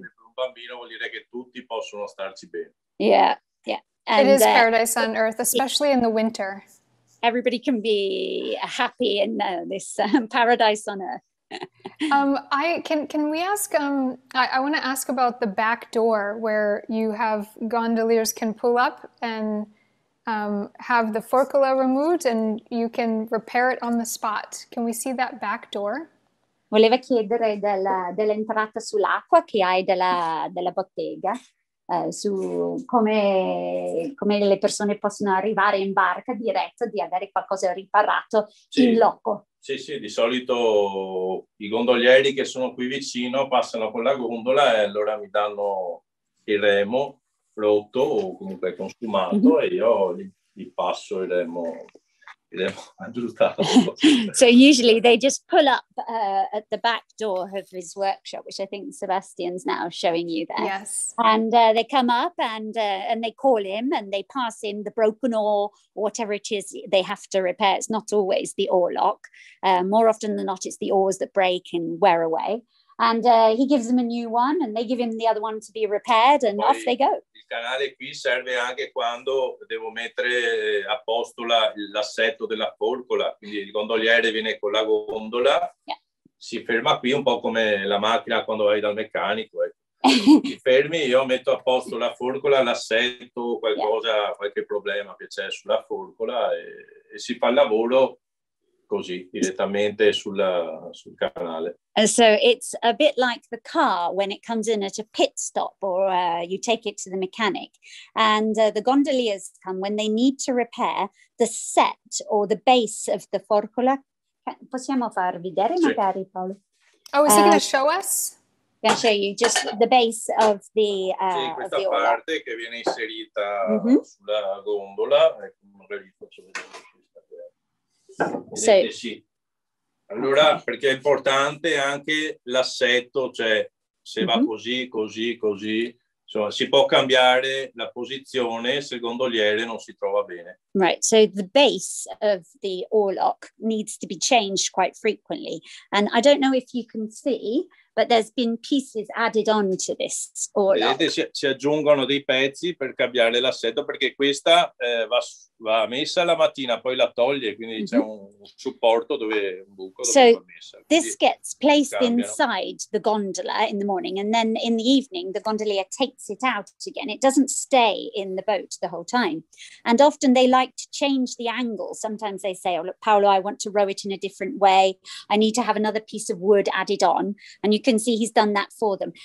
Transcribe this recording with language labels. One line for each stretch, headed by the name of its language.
Italian: Per un bambino vuol dire che tutti possono starci bene.
English: Yeah, yeah. And, it is paradise on earth, especially in the winter. Everybody can be happy in this paradise on earth. Can we ask, I want to ask about the back door where you have gondoliers can pull up and have the forcola removed and you can repair it on the spot. Can we see that back door?
Italian: Voleva chiedere dell'entrata sull'acqua che hai della bottega, su come le persone possono arrivare in barca diretto di avere qualcosa riparato in loco. Sì, sì, di solito i gondolieri che sono qui vicino passano con la gondola e allora mi danno il remo rotto o comunque consumato e io gli passo il remo aggiustato.
English: So usually they just pull up at the back door of his workshop, which I think Sebastian's now showing you there. Yes. And they come up and they call him and they pass in the broken oar, whatever it is they have to repair. It's not always the oar lock. More often than not, it's the oars that break and wear away. And he gives them a new one and they give him the other one to be repaired and
Italian: poi
English: off they go.
Italian: Il canale qui serve anche quando devo mettere a posto l'assetto della forcola. Quindi il gondoliere viene con la gondola, si ferma qui un po' come la macchina quando vai dal meccanico. Ti fermi, io metto a posto la forcola, l'assetto, qualcosa, qualche problema che c'è sulla forcola e si fa il lavoro. Così, direttamente sul canale.
English: And so it's a bit like the car when it comes in at a pit stop or you take it to the mechanic. And the gondoliers come when they need to repair the set or the base of the forcola.
Italian: Possiamo far vedere magari, Paolo?
English: Oh, is he going to show us? Yeah, show you just the base of the
Italian: sì, questa
English: of the
Italian: parte che viene inserita sulla gondola. Magari faccio vedere. Sì. Sì. Allora, perché è importante anche l'assetto, cioè se va così, così, così, insomma, si può cambiare la posizione se il gondoliere non si trova bene.
English: Right, so the base of the oarlock needs to be changed quite frequently. And I don't know if you can see, but there's been pieces added on to this oarlock.
Italian: Vedete, si aggiungono dei pezzi per cambiare l'assetto, perché questa va messa la mattina, poi la toglie, quindi c'è un supporto dove un buco dove va messa.
English: So this gets placed inside the gondola in the morning, and then in the evening the gondolier takes it out again. It doesn't stay in the boat the whole time. And often they like to change the angle. Sometimes they say, oh look, Paolo, I want to row it in a different way. I need to have another piece of wood added on. And you can see he's done that for them.